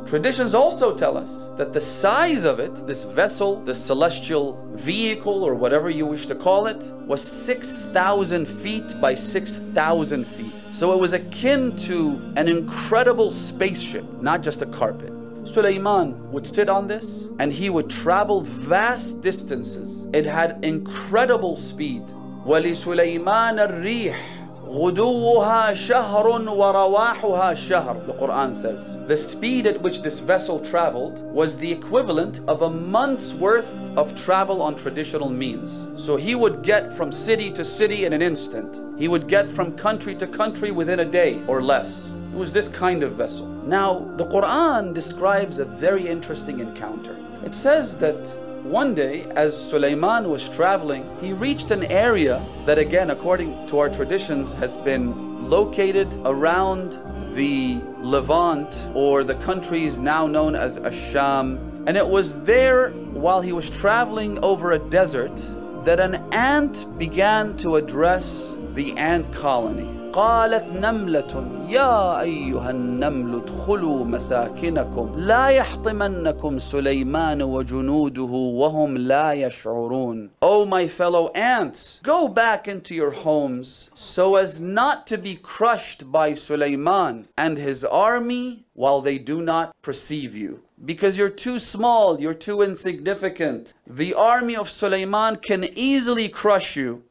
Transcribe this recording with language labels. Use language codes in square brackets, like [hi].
[en] Traditions also tell us that the size of it, this vessel, the celestial vehicle or whatever you wish to call it, was 6,000 feet by 6,000 feet. So it was akin to an incredible spaceship, not just a carpet. Sulaiman would sit on this and he would travel vast distances. It had incredible speed. [ar] وَلِسُلَيْمَانَ الرِّيحِ غُدُوُّهَا شَهْرٌ وَرَوَاحُهَا شَهْرٌ, [en] the Quran says. The speed at which this vessel traveled was the equivalent of a month's worth of travel on traditional means. So he would get from city to city in an instant. He would get from country to country within a day or less. It was this kind of vessel. Now, the Quran describes a very interesting encounter. It says that one day, as Sulaiman was traveling, he reached an area that, again, according to our traditions, has been located around the Levant, or the countries now known as Asham. And it was there, while he was traveling over a desert, that an ant began to address the ant colony. [ar] قالت نملة يا أيها النمل ادخلوا مساكنكم لا يحطمنكم سليمان وجنوده وهم لا يشعرون. [en] Oh my fellow ants, go back into your homes so as not to be crushed by Sulaiman and his army while they do not perceive you. Because you're too small, you're too insignificant. The army of Sulaiman can easily crush you.